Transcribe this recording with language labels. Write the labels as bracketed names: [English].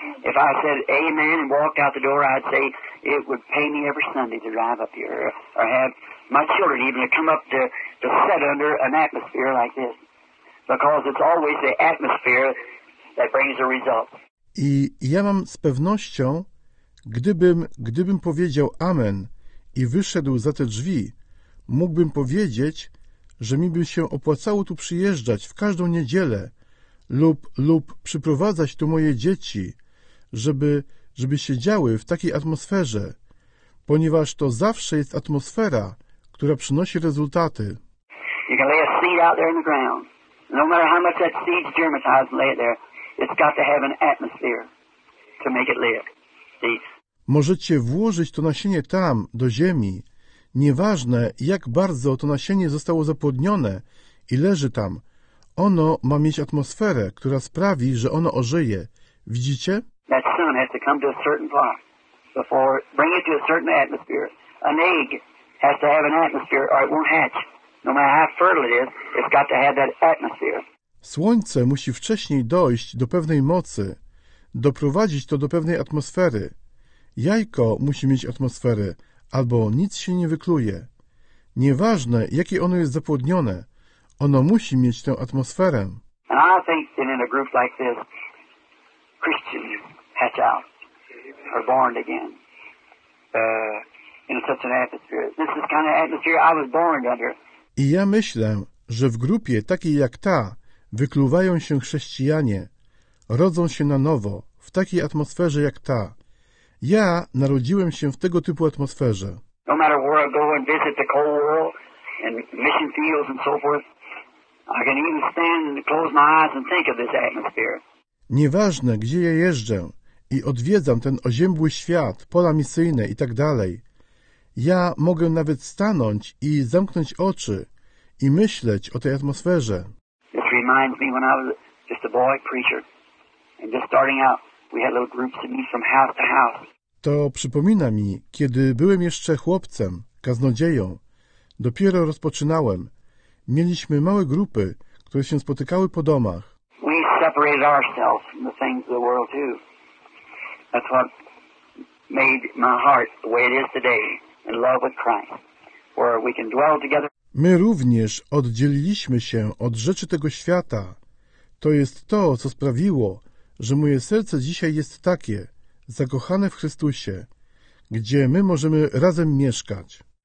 [English] If I said amen and walked out the door, I'd say it would pay me every Sunday to drive up here or have my children even to come up to sit under an atmosphere like this. Because it's always the atmosphere that brings the result. [Polish] I ja mam z pewnością, gdybym powiedział amen i wyszedł za te drzwi, mógłbym powiedzieć, że mi by się opłacało tu przyjeżdżać w każdą niedzielę lub przyprowadzać tu moje dzieci, żeby się działy w takiej atmosferze, ponieważ to zawsze jest atmosfera, która przynosi rezultaty. [English] You can lay a seed out there in the ground. No matter how much that seed's germinated, lay it there. It's got to have an atmosphere to make it live. [Polish] Możecie włożyć to nasienie tam, do ziemi. Nieważne, jak bardzo to nasienie zostało zapłodnione i leży tam. Ono ma mieć atmosferę, która sprawi, że ono ożyje. Widzicie? [English] That sun has to come to a certain point before bring it to a certain atmosphere. An egg has to have an atmosphere or it won't hatch. No matter how fertile it is, it's got to have that atmosphere. [Polish] Słońce musi wcześniej dojść do pewnej mocy, doprowadzić to do pewnej atmosfery. Jajko musi mieć atmosferę, albo nic się nie wykluje. Nieważne, jakie ono jest zapłodnione, ono musi mieć tę atmosferę. [English] And I think that in a group like this, Christians hatch out, are born again, in such an atmosphere. This is the kind of atmosphere I was born under. [Polish] I ja myślę, że w grupie takiej jak ta wykluwają się chrześcijanie, rodzą się na nowo, w takiej atmosferze jak ta. Ja narodziłem się w tego typu atmosferze. [English] No matter where I go and visit the cold world and mission fields and so forth, I can even stand and close my eyes and think of this atmosphere. [Polish] Nieważne, gdzie ja jeżdżę i odwiedzam ten oziębły świat, pola misyjne i tak dalej, ja mogę nawet stanąć i zamknąć oczy i myśleć o tej atmosferze. [English] This reminds me when I was just a boy preacher and just starting out. We had little groups to meet from house to house. [Polish] To przypomina mi, kiedy byłem jeszcze chłopcem, kaznodzieją. Dopiero rozpoczynałem. Mieliśmy małe grupy, które się spotykały po domach. [English] We separated ourselves from the things of the world too. That's what made my heart the way it is today, in love with Christ, where we can dwell together. [Polish] My również oddzieliliśmy się od rzeczy tego świata. To jest to, co sprawiło, że moje serce dzisiaj jest takie, zakochane w Chrystusie, gdzie my możemy razem mieszkać.